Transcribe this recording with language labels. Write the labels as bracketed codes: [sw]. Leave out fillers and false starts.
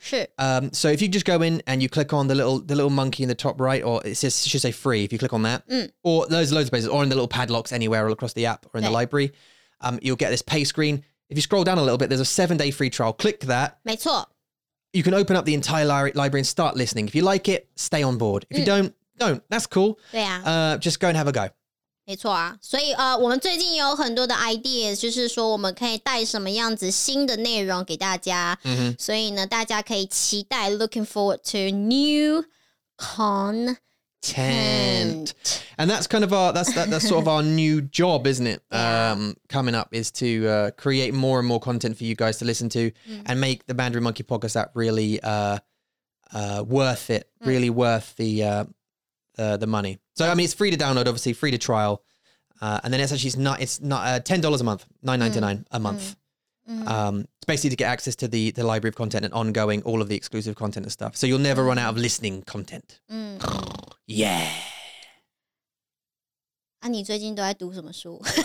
[en] So if you just go in and you click on the little monkey in the top right, or it should say free if you click on that, or loads of places, or in the little padlocks anywhere all across the app or in the library. You'll get this pay screen. If you scroll down a little bit, there's a 7-day free trial. Click that. [zh] 没错. [en] You can open up the entire library and start listening. If you like it, stay on board. If you don't, that's cool. [zh] 对啊. [en] Just go and have a go. [zh] 没错啊. 所以我们最近有很多的 ideas, 就是说我们可以带什么样子新的内容给大家. Mm-hmm. 所以呢,大家可以期待, [en] looking forward to new content. And that's kind of that's sort of our new job, isn't it? Coming up is to create more and more content for you guys to listen to and make the Mandarin Monkey podcast app really worth it, really worth the money. So, I mean, it's free to download, obviously, free to trial. And then it's not $10 a month, $9.99 a month. It's basically to get access to the library of content and ongoing, all of the exclusive content and stuff. So you'll never run out of listening content. Yeah. [zh] 啊，你最近都在读什么书？